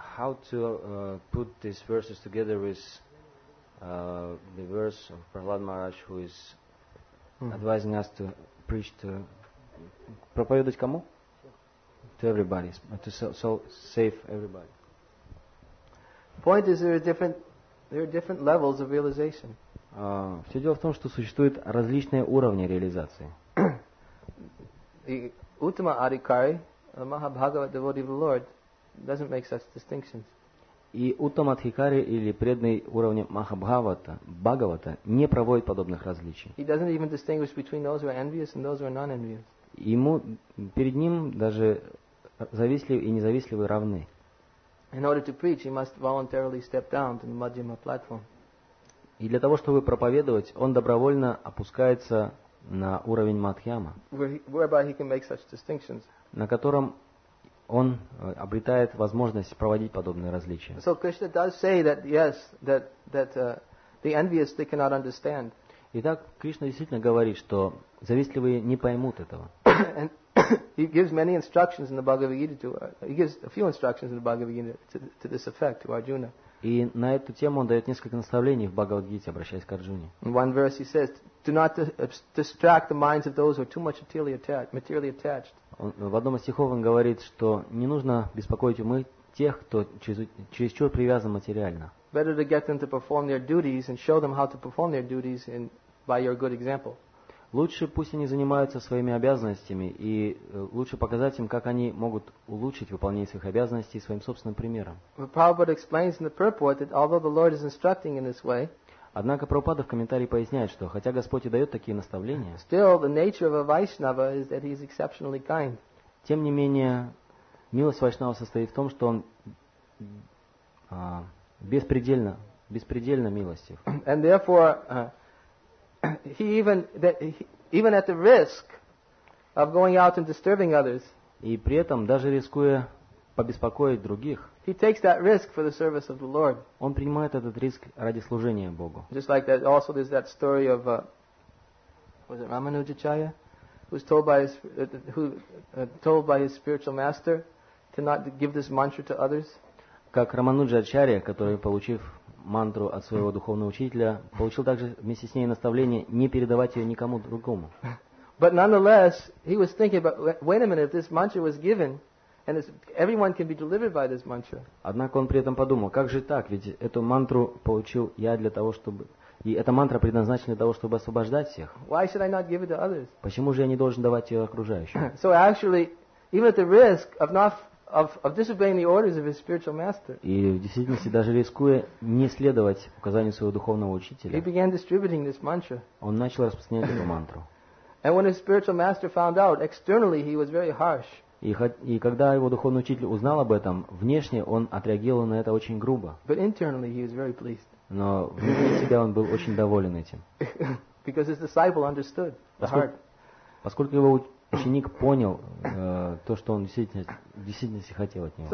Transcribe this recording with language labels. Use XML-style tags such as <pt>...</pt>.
<en>How to put these verses together with the verse of Prahlad Maharaj who is advising us to preach to</en> <ru>проповедовать кому?</ru> <en>To everybody, to save everybody. Point is there are different levels of realization.</en> <ru>Все дело в том, что существуют различные уровни реализации.</ru> <en>The Uttama Adhikari, the Mahabhagavata devotee of the Lord, doesn't make such distinctions.</en> <ru>И Uttama Adhikari или преданный уровня Махабхавата, Бхагавата, не проводит подобных различий.</ru> <en>He doesn't even distinguish between those who are envious and those who are non-envious.</en> <ru>Ему перед ним даже завистливые и независтливые равны.</ru> <en>In order to preach, he must voluntarily step down to the Madhyama platform.</en> <ru>И для того, чтобы проповедовать, он добровольно опускается на уровень Мадхьяма,</ru> <en>whereby he can make such distinctions.</en> <ru>На котором он обретает возможность проводить подобные различия.</ru> <en>So Krishna does say that yes, that the envious they cannot understand.</en> <ru>Итак, Кришна действительно говорит, что завистливые не поймут этого.</ru> <en>He gives many instructions in the Bhagavad Gita to He gives a few instructions in the Bhagavad Gita to this effect to Arjuna.</en> <ru>И на эту тему он дает несколько наставлений в Бхагавад-гите, обращаясь к Арджуне.</ru> <en>In one verse he says, "Do not distract the minds of those who are too much materially attached."</en> <ru>В одном из стихов он говорит, что не нужно беспокоить умы тех, кто чересчур привязан материально.</ru> <en>Better to get them to perform their duties and show them how to perform their duties in, by your good example.</en> <ru>Лучше пусть они занимаются своими обязанностями и лучше показать им, как они могут улучшить выполнение своих обязанностей своим собственным примером.</ru> <en>Prabhupada explains in the purport that although the Lord is instructing in this way,</en> <ru>однако Прабхупада в комментарии поясняет, что хотя Господь и дает такие наставления,</ru> <en>still the nature of a Vaishnava is that he is exceptionally kind.</en> <ru>Тем не менее, милость Вайшнава состоит в том, что он беспредельно милостив.</ru> <en>And therefore, He even at the risk of going out and disturbing others.</en> <ru>И при этом даже рискуя побеспокоить других.</ru> <en>He takes that risk for the service of the Lord.</en> <ru>Он принимает этот риск ради служения Богу.</ru> <en>Just like that, also there's that story of was it Ramanujacharya, who's told by his told by his spiritual master to not give this mantra to others.</en> <ru>Как Рамануджачарья, который получив мантру от своего духовного учителя, получил также вместе с ней наставление не передавать ее никому другому.</ru> <en>But nonetheless, he was thinking, but wait a minute, if this mantra was given, and this, everyone can be delivered by this mantra.</en> <ru>Однако он при этом подумал, как же так, ведь эту мантру получил я для того, чтобы... И эта мантра предназначена для того, чтобы освобождать всех.</ru> <en>Why should I not give it to others?</en> <ru>Почему же я не должен давать ее окружающим?</ru> <en>So actually, even at the risk of not... Of disobeying the orders of his spiritual master.</en> <ru>И в действительности даже рискуя не следовать указаниям своего духовного учителя.</ru> <en>He began distributing this mantra.</en> <ru>Он начал распространять эту мантру.</ru> <en>And when his spiritual master found out, externally he was very harsh.</en> <ru>И когда его духовный учитель узнал об этом, внешне он отреагировал на это очень грубо.</ru> <en>But internally he was very pleased.</en> <ru>Но внутри себя он был очень доволен этим.</ru> <en>Because his disciple understood the heart.</en> <ru>Поскольку его ученик понял то, что он в действительности хотел от него.</ru>